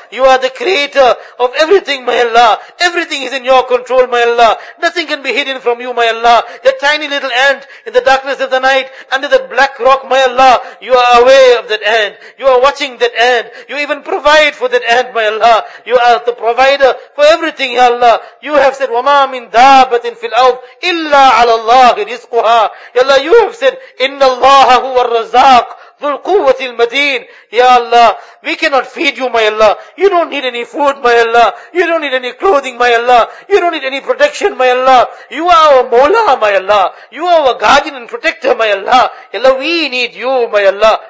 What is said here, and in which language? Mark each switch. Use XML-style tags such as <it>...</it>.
<en>You are the creator of everything, my Allah. Everything is in your control, my Allah. Nothing can be hidden from you, my Allah. The tiny little ant in the darkness of the night, under the black rock, my Allah. You are aware of that ant. You are watching that ant. You even provide for that ant, my Allah. You are the provider for everything, ya Allah. You have said,</en> <ar>وَمَا مِن دَابَةٍ فِي الْأَرْضِ إِلَّا عَلَى اللَّهِ رِزْقُهَا.</ar> <en>Ya Allah, you have said,</en> <ar>إِنَّ اللَّهَ هُوَ الرَّزَّاقُ.</ar> <en>Ya Allah, we cannot feed you, my Allah. You don't need any food, my Allah. You don't need any clothing, my Allah. You don't need any protection, my Allah. You are our Mawla, my Allah. You are our guardian and protector, my Allah. Ya Allah, we need you, my Allah.</en>